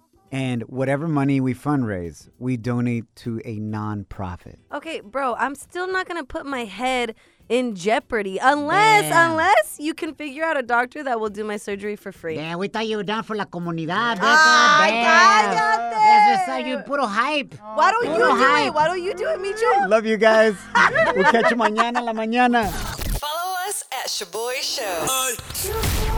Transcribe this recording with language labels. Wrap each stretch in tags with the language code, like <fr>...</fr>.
<en>And whatever money we fundraise, we donate to a nonprofit. Okay, bro, I'm still not going to put my head in jeopardy unless you can figure out a doctor that will do my surgery for free. Yeah, we thought you were down for</en> <es>la comunidad. Ah, cállate!</es> <en>That's just you, puro hype. Why don't you do it? Why don't you do it, Micho? Love you guys. We'll catch you</en> <es>mañana la mañana.</es> <en>Follow us at Shaboy Show.</en>